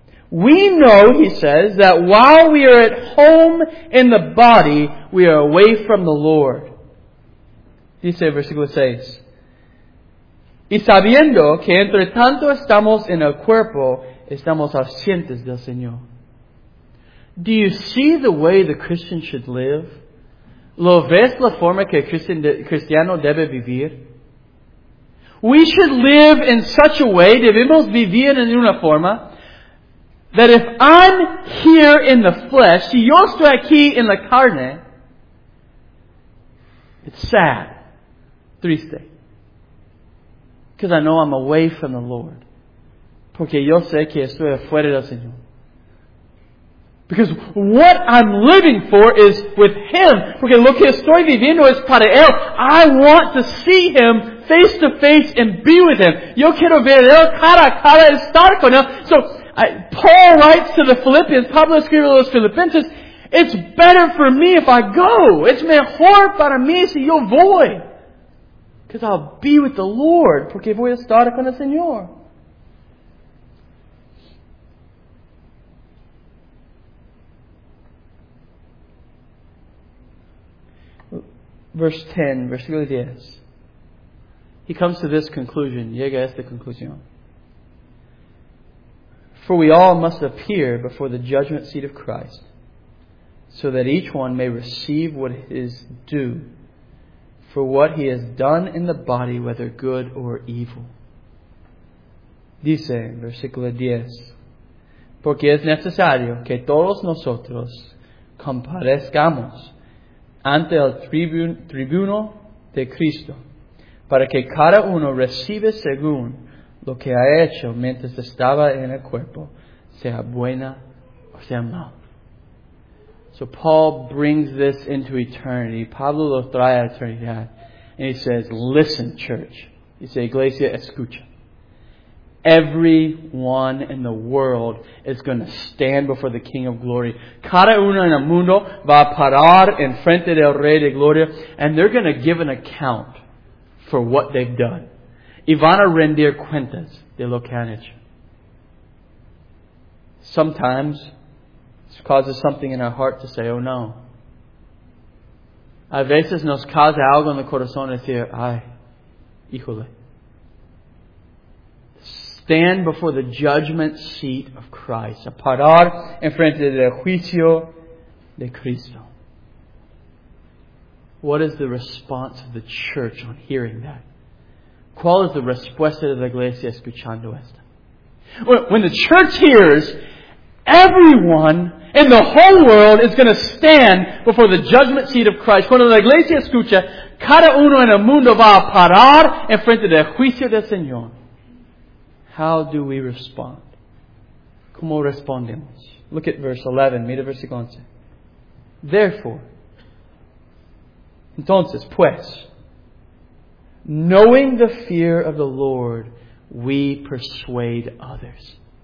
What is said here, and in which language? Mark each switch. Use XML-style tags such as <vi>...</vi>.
<en>We know, he says, that while we are at home in the body, we are away from the Lord.</en> <es>Dice versículo 6. Y sabiendo que entre tanto estamos en el cuerpo, estamos ausentes del Señor.</es> <en>Do you see the way the Christian should live?</en> <es>¿Lo ves la forma que cristiano debe vivir?</es> <en>We should live in such a way,</en> <es>debemos vivir en una forma,</es> <en>that if I'm here in the flesh,</en> <es>si yo estoy aquí en la carne,</es> <en>it's sad,</en> <es>triste,</es> <en>because I know I'm away from the Lord,</en> <es>porque yo sé que estoy afuera del Señor.</es> <en>Because what I'm living for is with Him.</en> <es>Porque lo que estoy viviendo es para Él.</es> <en>I want to see Him face to face and be with Him.</en> <es>Yo quiero ver Él cara a cara y estar con Él.</es> <en>So, Paul writes to the Philippians,</en> <es>Pablo escribe a los Filipenses,</es> <en>it's better for me if I go. It's</en> <es>mejor para mí si yo voy.</es> <en>Because I'll be with the Lord.</en> <es>Porque voy a estar con el Señor.</es> <en>Verse 10,</en> <es>versículo 10.</es> <en>He comes to this conclusion.</en> <es>Llega a esta conclusión.</es> <en>For we all must appear before the judgment seat of Christ, so that each one may receive what is due for what he has done in the body, whether good or evil.</en> <es>Dice, versículo 10. Porque es necesario que todos nosotros comparezcamos ante el tribuno de Cristo, para que cada uno reciba según lo que ha hecho mientras estaba en el cuerpo, sea buena o sea mal.</es> <en>So Paul brings this into eternity.</en> <es>Pablo lo trae a eternidad.</es> <en>And he says, listen, church. He says,</en> <es>iglesia, escucha.</es> <en>Everyone in the world is going to stand before the King of Glory.</en> <es>Cada uno en el mundo va a parar en frente del Rey de Gloria,</es> <en>and they're going to give an account for what they've done.</en> <es>Y van a rendir cuentas de lo que han hecho.</es> <en>Sometimes, this causes something in our heart to say, oh no.</en> <es>A veces nos causa algo en el corazón decir, ay, híjole.</es> <en>Stand before the judgment seat of Christ.</en> <es>A parar en frente del juicio de Cristo.</es> <en>What is the response of the church on hearing that?</en> <es>¿Cuál es la respuesta de la iglesia escuchando esto?</es> <en>When the church hears, everyone in the whole world is going to stand before the judgment seat of Christ.</en> <es>Cuando la iglesia escucha, cada uno en el mundo va a parar en frente del juicio del Señor.</es> <en>How do we respond?</en> <es>¿Cómo respondemos?</es> <en>Look at verse 11.</en> <es>Mira el versículo 11.</es> <en>Therefore,</en> <es>entonces, pues,</es> <en>knowing the fear of the Lord, we persuade others.</en>